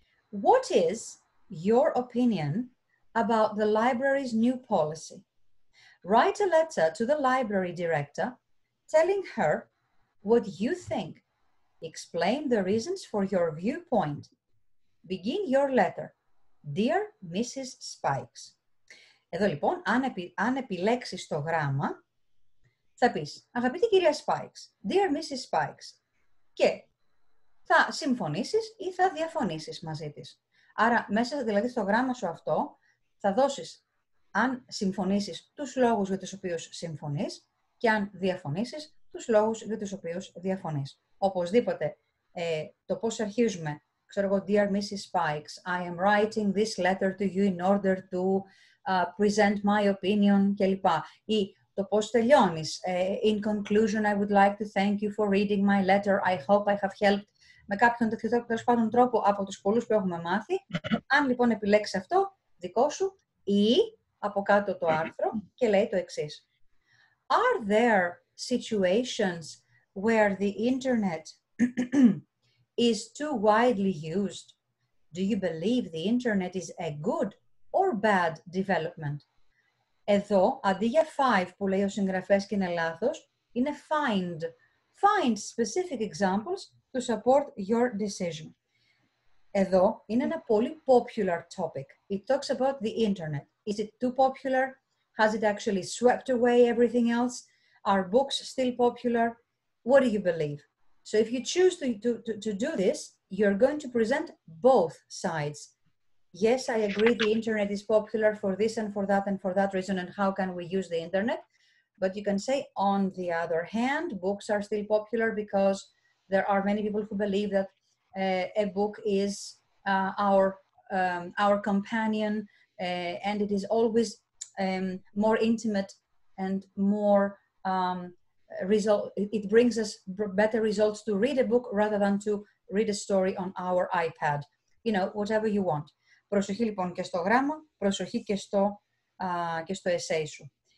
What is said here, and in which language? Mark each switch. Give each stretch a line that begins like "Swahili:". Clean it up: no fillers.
English: What is your opinion about the library's new policy? Write a letter to the library director telling her what you think. Explain the reasons for your viewpoint. Begin your letter. Dear Mrs. Spikes.
Greek: Εδώ λοιπόν, αν επιλέξεις το γράμμα, θα πεις, αγαπητή κυρία Spikes,
English: dear Mrs.
Greek: Spikes, και θα συμφωνήσεις ή θα διαφωνήσεις μαζί της. Άρα, μέσα δηλαδή στο γράμμα σου αυτό, θα δώσεις, αν συμφωνήσεις, τους λόγους για τους οποίους συμφωνείς και αν διαφωνήσεις, τους λόγους για τους οποίους διαφωνείς. Οπωσδήποτε, το πώς αρχίζουμε, ξέρω εγώ,
English: dear Mrs. Spikes, I am writing this letter to you in order to present my opinion κλπ.
Greek: Ή το πώς τελειώνεις,
English: in conclusion, I would like to thank you for reading my letter, I hope I have helped,
Greek: με κάποιον τέτοιο τρόπο από τους πολλούς που έχουμε μάθει. Αν λοιπόν επιλέξεις αυτό, δικό σου, ή από κάτω το άρθρο και λέει το εξής.
English: Are there situations where the internet is too widely used? Do you believe the internet is a good or bad development?
Greek: Εδώ, αντί για five που λέει ο συγγραφέας και είναι λάθος, είναι find.
English: Find specific examples to support your decision.
Greek: Εδώ είναι ένα πολύ popular topic.
English: It talks about the internet. Is it too popular? Has it actually swept away everything else? Are books still popular? What do you believe? So if you choose to do this, you're going to present both sides. Yes, I agree the internet is popular for this and for that reason, and how can we use the internet? But you can say, on the other hand, books are still popular because there are many people who believe that a book is our companion, and it is always more intimate and more result. It brings us better results to read a book rather than to read a story on our iPad. You know, whatever you want.
Greek: Προσοχή λοιπόν και στο γράμμα, προσοχή και στο essay σου.